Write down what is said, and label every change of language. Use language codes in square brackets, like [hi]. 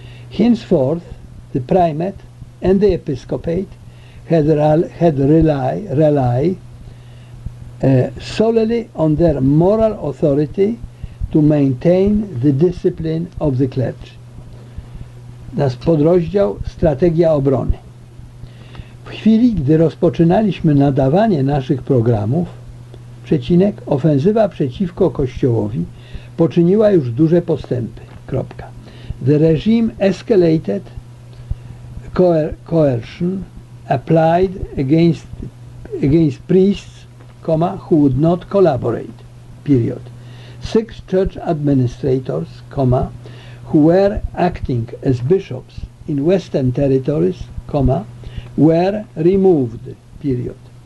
[en] Henceforth, the primate and the episcopate had rely solely on their moral authority to maintain the discipline of the clergy. [pl] Nas podrozdział strategia obrony. W chwili, gdy rozpoczynaliśmy nadawanie naszych programów, przecinek, ofensywa przeciwko Kościołowi poczyniła już duże postępy, kropka. [en] The regime escalated coercion applied against priests, comma, who would not collaborate, period. 6 church administrators, comma, who were acting as bishops in Western territories, comma, were removed, period.